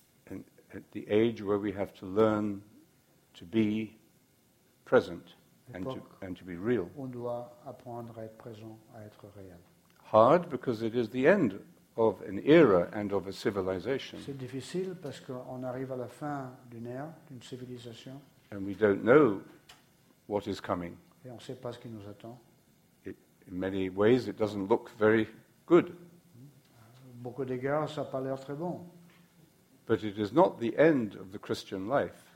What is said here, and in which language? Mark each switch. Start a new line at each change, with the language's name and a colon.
English: And at the age where we have to learn to be present and to be real.
French: On doit apprendre à être présent, à être réel.
English: Hard because it is the end of an era and of a civilization.
French: C'est difficile parce qu'on arrive à la fin d'une ère, d'une civilisation.
English: And we don't know what is coming.
French: Et on ne sait pas ce qui nous attend.
English: In many ways, it doesn't look very good.
French: Beaucoup d'égards, ça n'a pas l'air très bon.
English: But it is not the end of the Christian life.